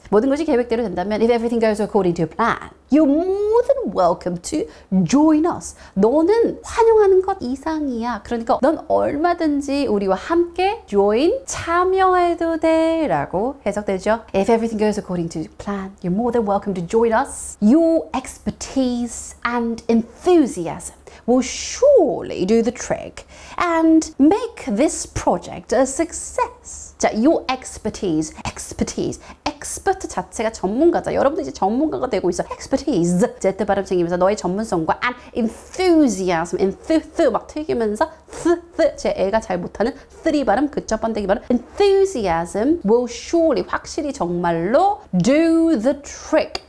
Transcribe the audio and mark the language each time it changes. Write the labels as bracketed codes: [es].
[ko] 모든 것이 계획대로 된다면 [en] If everything goes according to plan, you're more than welcome to join us. [ko] 너는 환영하는 것 이상이야. 그러니까 넌 얼마든지 우리와 함께 join, 참여해도 돼 라고 해석되죠. [en] If everything goes according to plan, you're more than welcome to join us. Your expertise and enthusiasm will surely do the trick and make this project a success. [ko] 자, your expertise. expert 자체가 전문가다. 여러분도 이제 전문가가 되고 있어. expertise. Z 발음 챙기면서 너의 전문성과 [en] and enthusiasm. [ko] enthusiasm 막 튀기면서 제 애가 잘 못하는 쓰리 발음, 그쵸 번데기 발음. [en] enthusiasm will surely [ko] 확실히 정말로 [en] do the trick.